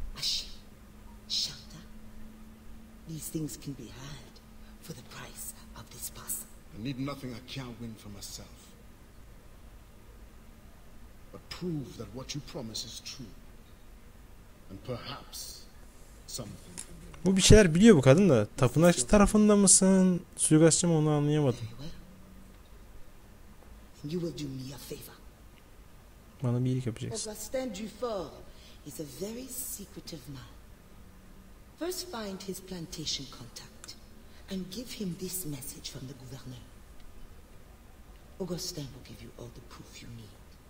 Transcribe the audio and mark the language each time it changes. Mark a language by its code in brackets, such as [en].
[en] A ship, shelter. These things can be had for the price of this parcel. I need nothing I can't win for myself. But prove that what you promise is true. And perhaps something. [tr] Bu bir şeyler biliyor bu kadın da. Tapınakçı tarafında mısın? Suikastçı mı, onu anlayamadım. [en] You will do me a favor. [tr] Bana bir iyilik yapacaksın. [en] Augustin Dufour is a very secretive man. First find his plantation contact and give him this message from the gouverneur. Augustin will give you all the proof you need.